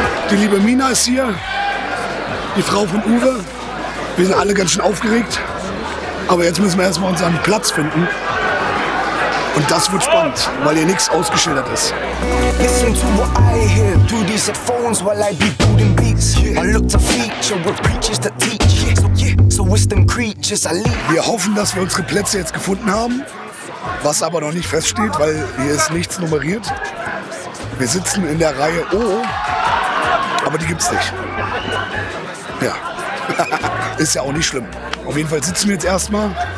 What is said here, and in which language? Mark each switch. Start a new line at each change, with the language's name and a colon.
German: Die liebe Mina ist hier, die Frau von Uwe. Wir sind alle ganz schön aufgeregt. Aber jetzt müssen wir erstmal unseren Platz finden. Und das wird spannend, weil hier nichts ausgeschildert ist.
English: Listen to what I hear through these headphones while I be building beats. I look to feature with preachers that teach. So yeah, so wisdom creatures I lead.
German: Wir hoffen, dass wir unsere Plätze jetzt gefunden haben. Was aber noch nicht feststeht, weil hier ist nichts nummeriert. Wir sitzen in der Reihe O, aber die gibt's nicht. Ja, ist ja auch nicht schlimm. Auf jeden Fall sitzen wir jetzt erstmal.